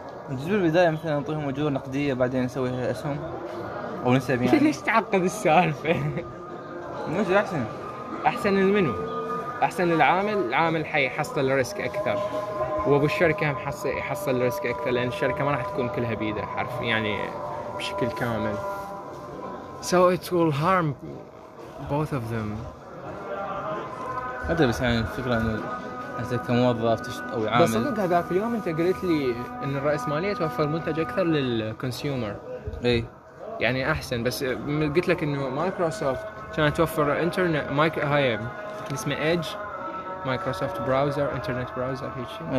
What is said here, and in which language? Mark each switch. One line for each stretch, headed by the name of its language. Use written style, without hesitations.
Arabic: نجيب البداية مثلا نعطيهم أجور نقدية بعدين نسويها أسهم أو نسب يعني. ليش تعقد السالفة؟ مش أحسن؟ أحسن لمنو؟ أحسن للعامل، العامل حيحصل ريسك أكثر، وأبو الشركة حصل ريسك أكثر لأن الشركة ما راح تكون كلها بيده حرف يعني بشكل كامل.
English: So it will harm both of them.
Arabic: هذا بس يعني الفكرة إنه أنت كموظف أو عامل. بس هذاك اليوم أنت قلت لي إن الرأسمالية توفر منتج أكثر للكونسيومر. إيه. يعني أحسن، بس قلت لك إنه مايكروسوفت كانت توفر إنترنت مايك هاي اسمه إيدج مايكروسوفت براوزر إنترنت براوزر هيك شيء.